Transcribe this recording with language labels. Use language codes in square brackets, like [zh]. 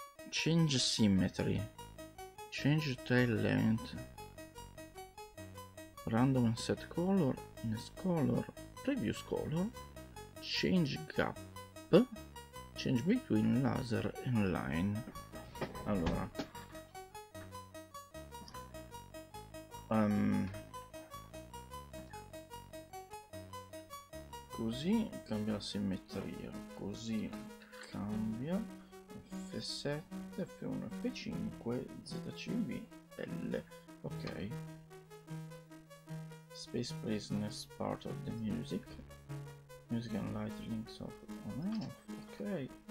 [en] Change symmetry, change tail length, random set color, next color, previous color, change gap, change between laser and line. [it] Allora così cambia la simmetria, così cambia F7, F1, F5, ZCV, L, ok. [en] Space please next part of the music. Music and light links off on off, ok.